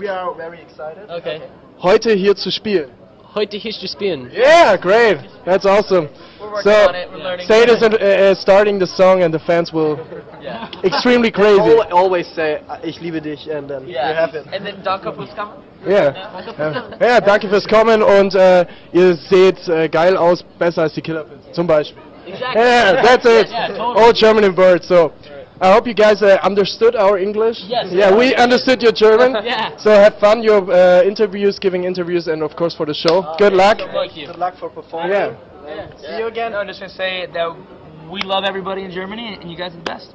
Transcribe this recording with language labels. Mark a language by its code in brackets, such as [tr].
[en] We are very excited. Okay. [de] Heute hier zu spielen. Heute hier zu spielen. [en] Yeah, great. That's awesome. We're learning. Sade is starting the song and the fans will extremely crazy. They always say [de] ich liebe dich [en] and then you have it. And then [de] danke fürs kommen. Ja, danke fürs Kommen und ihr seht geil aus, besser als die Killerpilze, zum Beispiel. [en] Exactly. Yeah, that's it. Totally. All German in words. So, I hope you guys understood our English. Yes. Yeah, we understood your German. Yeah. So have fun your interviews, giving interviews, and of course for the show. Good luck. Thank you. Good luck for performing. Yeah. See you again. No, I'm just gonna say that we love everybody in Germany and you guys are the best.